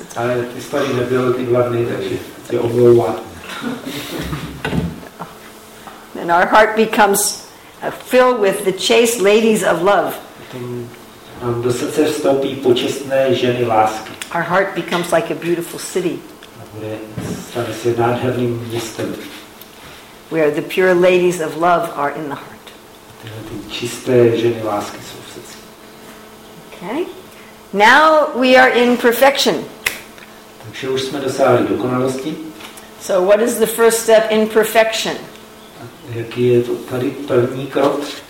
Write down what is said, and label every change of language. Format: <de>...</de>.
<en>It's funny the ability to have made that the overall one. And our heart becomes filled with the chaste ladies of love.</en> <cs>Do srdce vstoupí počestné ženy lásky.</cs> <en>Our heart becomes like a beautiful city.</en> <cs>Stane se nádherným městem.</cs> <en>Where the pure ladies of love are in the heart.</en> <cs>Ty čisté ženy lásky jsou v srdci.</cs> <en>Okay. Now we are in perfection.</en> <cs>Takže už jsme dosáhli dokonalosti.</cs> <en>So what is the first step in perfection?</en> <cs>Jaký je to tady první krok?</cs>